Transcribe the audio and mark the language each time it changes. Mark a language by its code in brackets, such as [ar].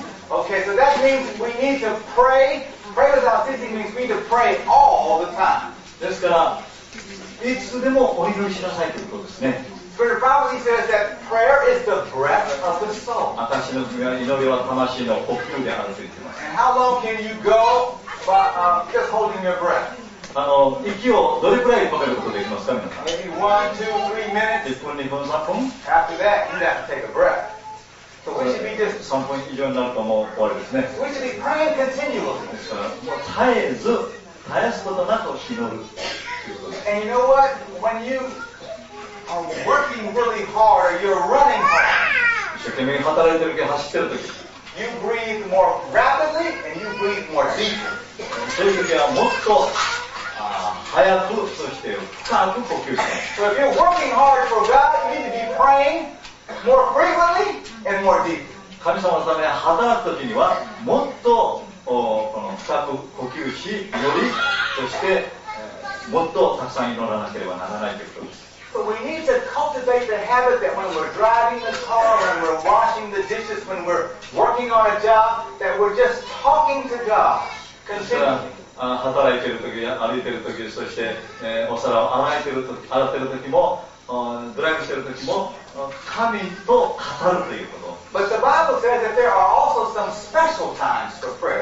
[en] Okay, so that means we need to pray. Pray without ceasing means we need to pray all the time. [ja] ですから、いつでもお祈りしなさいということですね。 [en] But the prophecy says that prayer is the breath of the soul. [ja] 私の祈りは魂の呼吸であると言っています。 [en] And how long can you go by, just holding your breath? [ja] 息をどれくらい止めることができますか、皆さん。 [en] Maybe 1-3 minutes. [ja] 1分、2分、3分。 [en] After that, you have to take a breath. So we should be just... [ja] 3分以上になるともう終わりですね。 [en] So we should be praying continually. [ja] 絶えず、絶やすことなく祈る。 [en] And you know what? When youI'm working really hard, you're running hard. [ja] 一生懸命働いてるとき、走ってるとき。 [en] You breathe more rapidly and you breathe more deeply. [ja] そういうときはもっと早く、そして深く呼吸します。 [en] So if you're working hard for God, you need to be praying more frequently and more deeply. [ja] 神様のため働くときには、もっとこの深く呼吸し、より、そしてもっとたくさん祈らなければならないということです。 [en] But we need to cultivate the habit that when we're driving the car, when we're washing the dishes, when we're working on a job, that we're just talking to God. But the Bible says that there are also some special times for prayer.